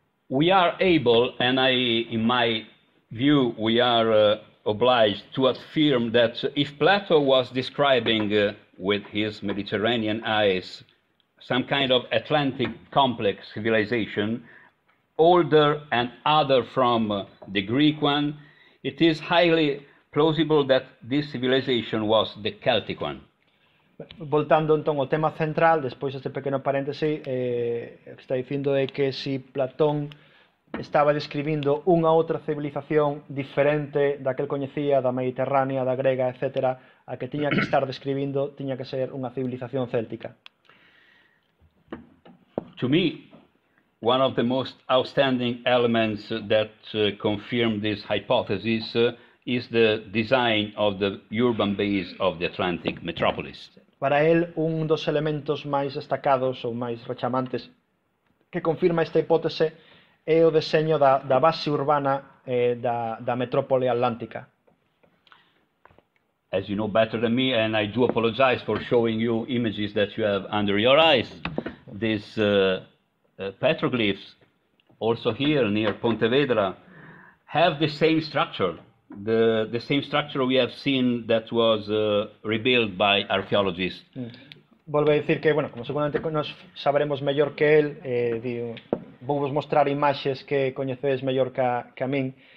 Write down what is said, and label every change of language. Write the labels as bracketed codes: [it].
[en] We are able, and I, in my view, we are obliged to affirm that if Plato was describing with his Mediterranean eyes some kind of Atlantic complex civilization, older and other from the Greek one, it is highly plausible that this civilization was the Celtic one. [gl] Voltando entón ao tema central, despois este pequeno paréntese, está dicindo é que si Platón estaba describindo unha outra civilización diferente da que el coñecía, da Mediterránea, da Grega, etc., a que tiña que estar describindo, tiña que ser unha civilización céltica. [en] To me, one of the most outstanding elements that confirm this hypothesis is the design of the urban base of the Atlantic metropolis. [gl] Para él, un dos elementos máis destacados ou máis rechamantes que confirma esta hipótese é o deseño da base urbana da metrópole atlántica. [en] As you know better than me, and I do apologize for showing you images that you have under your eyes, these petroglyphs, also here near Pontevedra, have the same structure. The same structure we have seen that was rebuilt by archaeologists. [gl] Volve a decir que, bueno, como seguramente nos sabremos mellor que él, vouvos mostrar imaxes que coñecedes mellor que a min.